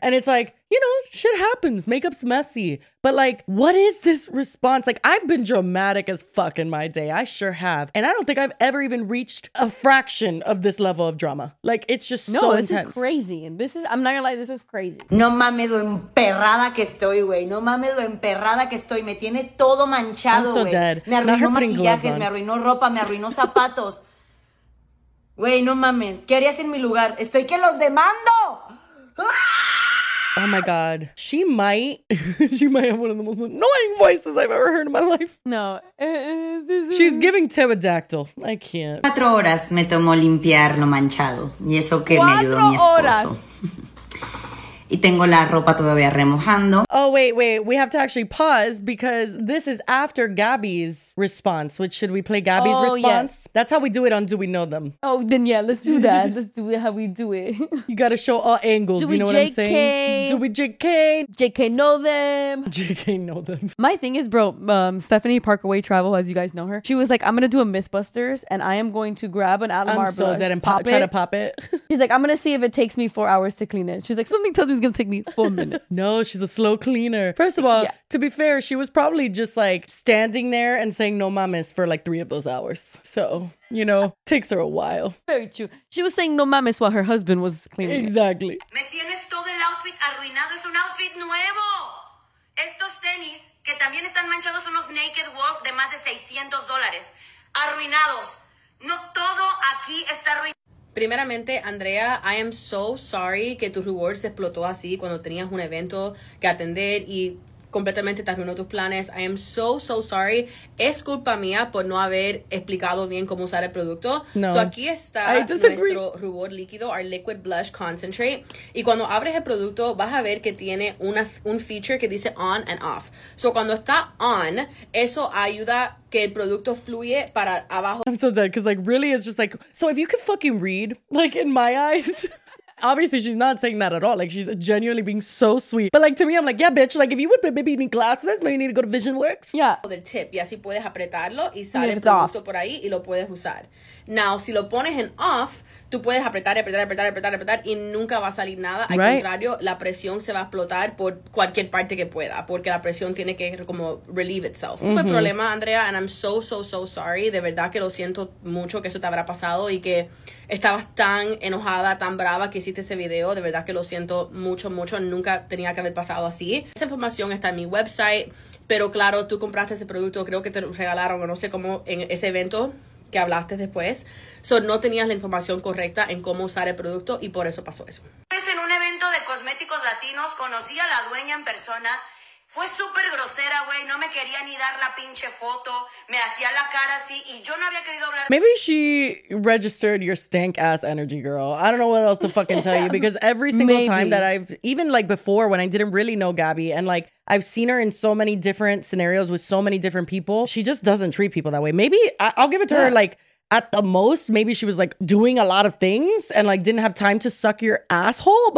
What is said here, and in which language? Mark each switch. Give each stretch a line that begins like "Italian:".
English: And it's like, you know, shit happens. Makeup's messy. But like, what is this response? Like, I've been dramatic as fuck in my day. I sure have. And I don't think I've ever even reached a fraction of this level of drama. Like, it's just no, so this intense. Is crazy. And this is, I'm not gonna lie, this is crazy.
Spanish: No mames lo emperrada que estoy, güey. No mames lo emperrada que estoy. Me tiene todo manchado, güey.
English: I'm so dead.
Spanish: Me arruinó maquillajes, me arruinó ropa, me arruinó zapatos. Güey, no mames. ¿Qué harías en mi lugar? Estoy que los demando.
English: Oh my God. She might. She might have one of the most annoying voices I've ever heard in my life. No. She's giving pterodactyl. I can't.
Spanish: 4 horas me tomó limpiar lo manchado. Y eso que me ayudó mi esposo. Y tengo la ropa todavía remojando.
English: Oh, wait, wait. We have to actually pause because this is after Gabby's response. Which, should we play Gabby's response? Yes. That's how we do it on Do We Know Them. Oh, then yeah, let's do that. Let's do it how we do it. You got to show all angles. Do you we know JK? What I'm saying? Do we JK? JK know them. JK know them. My thing is, bro, Stephanie Parkaway Travel, as you guys know her, she was like, I'm going to do a Mythbusters and I am going to grab an Alamar brush. I'm so dead and pop try to pop it. She's like, I'm going to see if it takes me 4 hours to clean it. She's like, something tells me it's going to take me 4 minutes. No, she's a slow cleaner. First of all, to be fair, she was probably just like standing there and saying
Spanish: no mames
English: for like 3 of those hours. So, you know, takes her a while. Very true. She was saying
Spanish: no mames
English: while her husband was cleaning. Exactly.
Spanish: Me tienes todo el outfit arruinado. Es un outfit nuevo. Estos tenis, que también están manchados, son unos Naked Wolf de más de $600. Arruinados. No todo aquí está arruinado. Primeramente, Andrea,
English: I am so sorry
Spanish: que tu reward se explotó así cuando tenías un evento que atender y completamente te arruinó tus planes.
English: I am so, so sorry.
Spanish: Es culpa mía por no haber explicado bien cómo usar el producto.
English: No.
Spanish: So aquí está nuestro rubor líquido,
English: our liquid blush concentrate.
Spanish: Y cuando abres el producto, vas a ver que tiene un feature que dice
English: on and off.
Spanish: So cuando está on, eso ayuda que el producto fluye para abajo.
English: I'm so dead, because like, really, it's just like, so if you can fucking read, like in my eyes... Obviously, she's not saying that at all. Like, she's genuinely being so sweet. But, like, to me, I'm like, yeah, bitch. Like, if you would maybe need glasses, maybe you need to go to VisionWorks. Yeah. The tip.
Spanish: Y así puedes apretarlo y sale el producto por ahí y lo puedes usar. Now, si lo pones en off, tú puedes apretar, apretar, apretar, apretar, apretar y nunca va a salir nada. Al contrario, la presión se va a explotar por cualquier parte que pueda porque la presión tiene que como
English: relieve itself.
Spanish: Mm-hmm. Fue el problema, Andrea,
English: and I'm so, so, so sorry.
Spanish: De verdad que lo siento mucho que eso te habrá pasado y que estabas tan enojada, tan brava que hiciste ese video. De verdad que lo siento mucho, mucho. Nunca tenía que haber pasado así. Esa información está en mi website, pero claro, tú compraste ese producto, creo que te lo regalaron o no sé cómo en ese evento que hablaste después. So, no tenías la información correcta en cómo usar el producto y por eso pasó eso. Pues en un evento de cosméticos latinos, conocí a la dueña en persona. Fue súper grosera, güey. No me quería ni dar la pinche foto. Me hacía la cara así y yo no había querido hablar.
English: Maybe she registered your stank ass energy, girl. I don't know what else to fucking tell you because every single time that I've, even like before when I didn't really know Gabby and like, I've seen her in so many different scenarios with so many different people. She just doesn't treat people that way. Maybe I'll give it to her, like, at the most, maybe she was, like, doing a lot of things and, like, didn't have time to suck your asshole.